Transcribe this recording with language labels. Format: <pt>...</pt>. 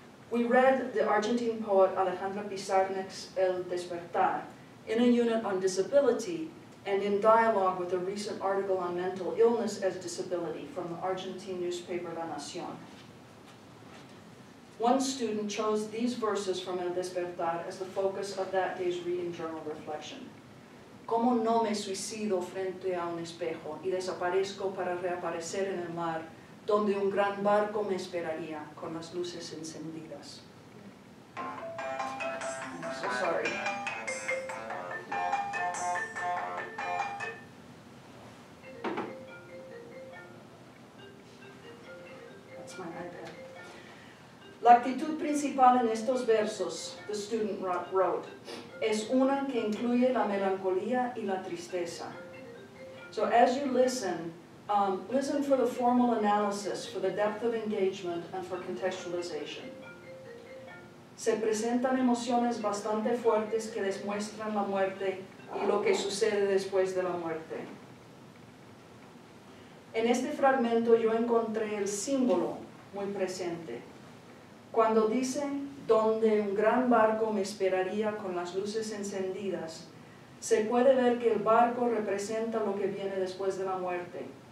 <en>We read the Argentine poet Alejandra Pizarnik's El Despertar in a unit on disability and in dialogue with a recent article on mental illness as disability from the Argentine newspaper La Nación. One student chose these verses from El Despertar as the focus of that day's reading journal reflection.</en> <es>¿Cómo no me suicido frente a un espejo y desaparezco para reaparecer en el mar donde un gran barco me esperaría con las luces encendidas?</es> <en>I'm so sorry.</en> <es>La actitud principal en estos versos,</es> <en>the student wrote,</en> <es>es una que incluye la melancolía y la tristeza.</es> <en>So as you listen, listen for the formal analysis, for the depth of engagement, and for contextualization.</en> <es>Se presentan emociones bastante fuertes que demuestran la muerte y lo que sucede después de la muerte. En este fragmento yo encontré el símbolo muy presente. Cuando dice, donde un gran barco me esperaría con las luces encendidas, se puede ver que el barco representa lo que viene después de la muerte.</es>